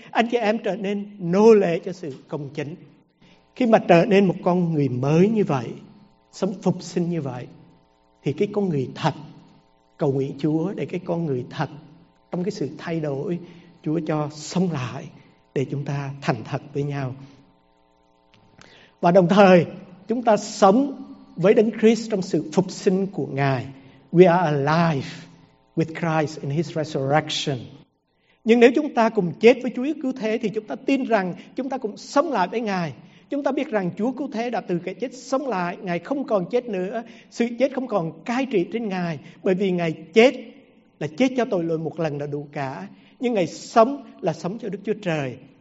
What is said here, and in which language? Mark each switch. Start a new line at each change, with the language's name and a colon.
Vietnamese: Anh chị em trở nên nô lệ cho sự công chính. Khi mà trở nên một con người mới như vậy, sống phục sinh như vậy, thì cái con người thật, cầu nguyện Chúa để cái con người thật trong cái sự thay đổi, Chúa cho sống lại để chúng ta thành thật với nhau. Và đồng thời, chúng ta sống với Đấng Christ trong sự phục sinh của Ngài.
English: We are alive with Christ in His resurrection.
Vietnamese: Nhưng nếu chúng ta cùng chết với Chúa cứu thế, thì chúng ta tin rằng chúng ta cũng sống lại với Ngài. Chúng ta biết rằng Chúa cứu thế đã từ cái chết sống lại, Ngài không còn chết nữa, sự chết không còn cai trị trên Ngài, bởi vì Ngài chết là chết cho tội lỗi một lần là đủ cả, nhưng Ngài sống là sống cho Đức Chúa Trời.